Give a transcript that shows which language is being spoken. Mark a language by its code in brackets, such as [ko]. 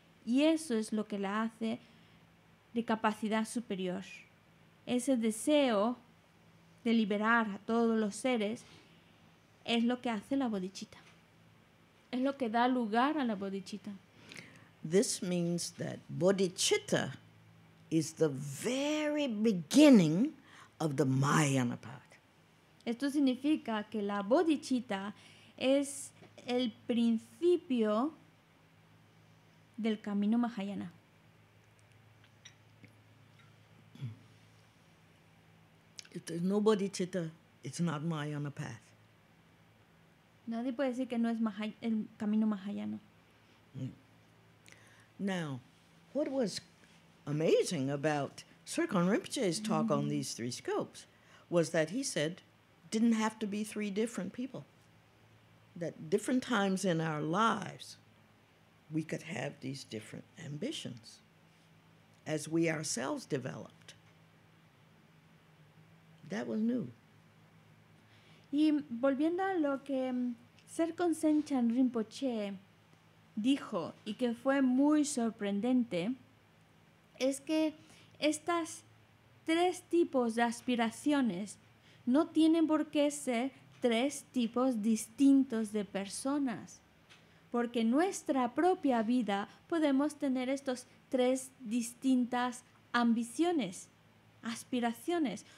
[es] Y eso es lo que la hace de capacidad superior. Ese deseo de liberar a todos los seres es lo que hace la bodhicitta. Es lo que da lugar a la bodhicitta. [en] This means that bodhicitta is the very beginning of the Mahayana path. [es] Esto significa que la bodhicitta es el principio del camino Mahayana. [en] If there's no bodhicitta, it's not Mahayana path. [es] Nadie puede decir que no es el camino Mahayana. [en] Now, what was amazing about Sri Khan Rinpoche's talk on these three scopes was that he said didn't have to be three different people. That different times in our lives we could have these different ambitions as we ourselves developed. That was new. [es] Y volviendo a lo que Serkon Senchan Rinpoche dijo y que fue muy sorprendente, es que estas tres tipos de aspiraciones no tienen por qué ser tres tipos distintos de personas, porque en nuestra propia vida podemos tener estos tres distintas ambiciones, aspiraciones.